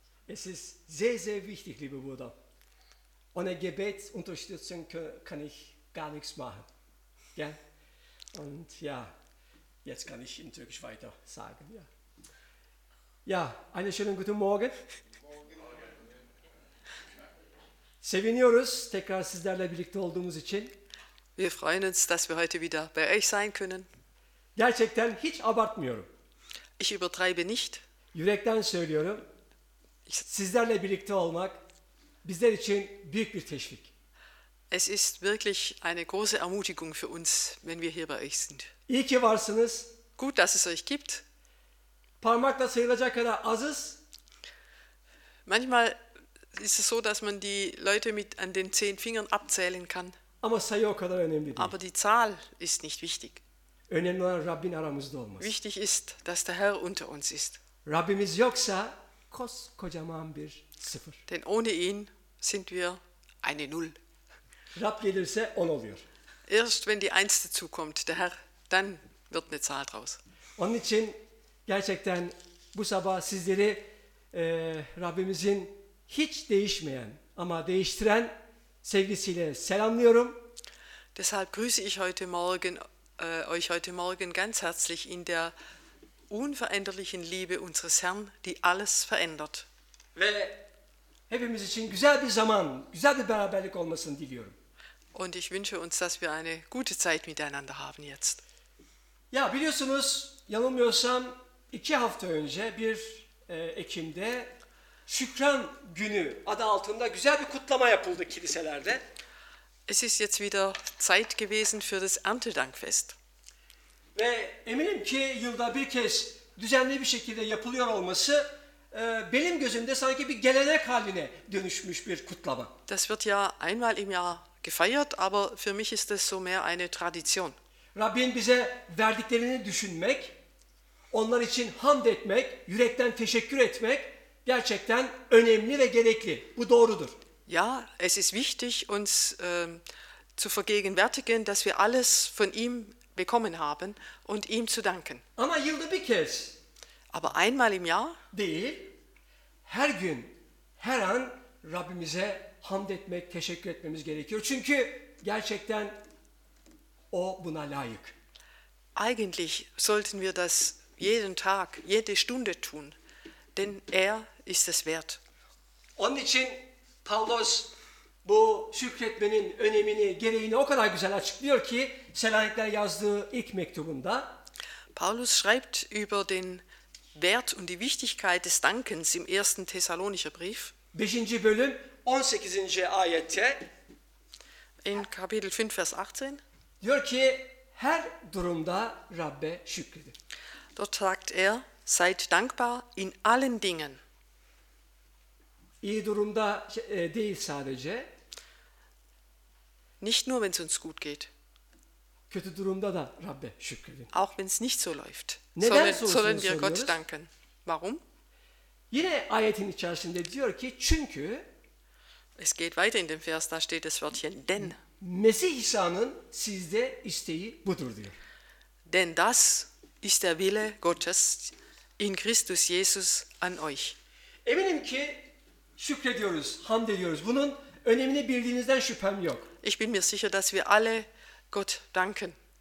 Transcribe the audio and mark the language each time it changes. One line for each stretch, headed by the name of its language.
German: Es ist sehr, sehr wichtig, liebe Bruder. Ohne Gebetsunterstützung kann ich gar nichts machen. Ja? Und ja, jetzt kann ich in Türkisch weiter sagen. Ja. Ja, einen schönen guten Morgen.
Turkish: Seviniyoruz tekrar sizlerle birlikte olduğumuz için.
German: Wir freuen uns, dass wir heute wieder bei euch sein können.
Turkish: Gerçekten hiç abartmıyorum.
German: Ich übertreibe nicht.
Turkish: Yürekten söylüyorum. Sizlerle birlikte olmak bizler için büyük bir teşvik.
German: Es ist wirklich eine große Ermutigung für uns, wenn wir hier bei euch sind.
Turkish: İyi ki varsınız.
German: Gut, dass es euch gibt.
Turkish: Parmakla sayılacak kadar azız.
German: Manchmal ist es so, dass man die Leute mit an den 10 Fingern abzählen kann.
Turkish: Ama sayı o kadar önemli değil.
German: Aber die Zahl ist nicht wichtig.
Turkish: Önemli olan Rabbin aramızda olması.
German: Wichtig ist, dass der Herr unter uns ist.
Turkish: Rabbimiz yoksa koskocaman bir sıfır.
German: Denn ohne ihn sind wir eine Null.
Turkish: Rab gelirse on oluyor.
German: Erst wenn die Eins dazukommt, der Herr, dann wird eine Zahl draus.
Turkish: Onun için gerçekten bu sabah sizleri Rabbimizin hiç değişmeyen ama değiştiren sevgisiyle selamlıyorum.
German: Deshalb grüße ich heute Morgen euch heute Morgen ganz herzlich in der unveränderlichen Liebe unseres Herrn, die alles verändert.
Turkish: Ve hepimiz için güzel bir zaman, güzel bir beraberlik olmasını diliyorum.
German: Und ich wünsche uns, dass wir eine gute Zeit miteinander haben jetzt.
Turkish: Ja, biliyorsunuz, yanılmıyorsam iki hafta önce bir Ekim'de Şükran Günü adı altında güzel bir kutlama yapıldı kiliselerde.
German: Es ist jetzt wieder Zeit gewesen für das Erntedankfest.
Turkish: Ve eminim ki yılda bir kez düzenli bir şekilde yapılıyor olması benim gözümde sanki bir gelenek haline dönüşmüş bir kutlama.
German: Das wird ja einmal im Jahr gefeiert, aber für mich ist es so mehr eine Tradition.
Turkish: Rabbin bize verdiklerini düşünmek, onlar için hamd etmek, yürekten teşekkür etmek gerçekten önemli ve gerekli. Bu doğrudur.
German: Ja, es ist wichtig, uns zu vergegenwärtigen, dass wir alles von ihm bekommen haben und ihm zu danken.
Turkish: Ama yılda bir kez.
German: Aber einmal im Jahr.
Turkish: Değil. Her gün, her an Rabbimize hamd etmek, teşekkür etmemiz gerekiyor. Çünkü gerçekten o buna layık.
German: Eigentlich sollten wir das jeden Tag, jede Stunde tun, denn er ist es wert.
Turkish: Onun için Paulus bu şükretmenin önemini, gereğini o kadar güzel açıklıyor ki Selanikler yazdığı ilk mektubunda.
German: Paulus schreibt über den Wert und die Wichtigkeit des Dankens im 1. Thessalonicher Brief.
Turkish: 5. bölüm 18. ayette.
German: In Kapitel 5 Vers 18.
Turkish: Diyor ki her durumda Rabbe şükredin.
German: Dort sagt er, seid dankbar in allen Dingen.
Turkish: İyi durumda değil sadece.
German: Nicht nur wenn es uns gut geht.
Turkish: Kötü durumda da Rabbe şükredin.
German: Auch wenn es nicht so läuft.
Turkish: Neden
German: sollen wir Gott danken? Warum?
Turkish: Yine ayetin içerisinde diyor ki çünkü.
German: Es geht weiter in dem Vers, da steht das Wörtchen denn.
Turkish: Mesih İsa'nın sizde isteği budur diyor.
German: Denn das ist der Wille Gottes in Christus Jesus an euch.
Turkish: Eminim ki şükrediyoruz, hamd ediyoruz. Bunun önemini bildiğinizden şüphem yok.
German: Ich bin mir sicher, dass wir alle Gott danken.